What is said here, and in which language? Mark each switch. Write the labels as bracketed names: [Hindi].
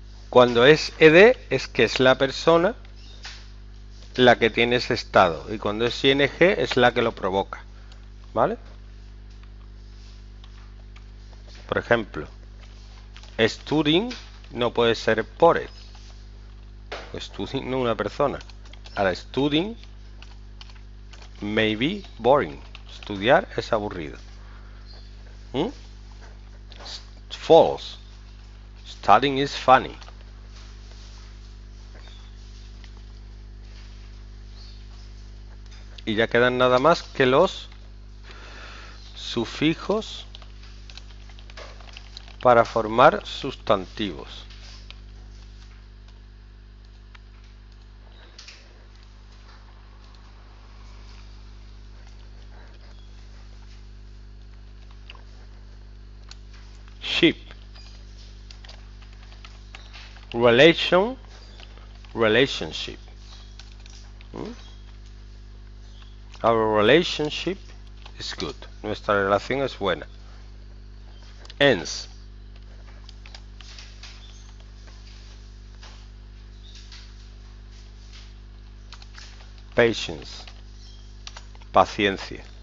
[Spanish] Cuando es ED es que es la persona la que tiene ese estado. Y cuando es ING es la que lo provoca. ¿Vale? Por ejemplo, Studying no puede ser bored. Studying no es una persona. [English] Ahora, Studying may be boring. [Spanish] Estudiar es aburrido. [English] False. Studying is funny. [Spanish] Y ya quedan nada más que los sufijos para formar sustantivos. [English] Ship. Relation. Relationship. Our relationship is good. [Spanish] Nuestra relación es buena. [English] Ends. Patience. Paciencia.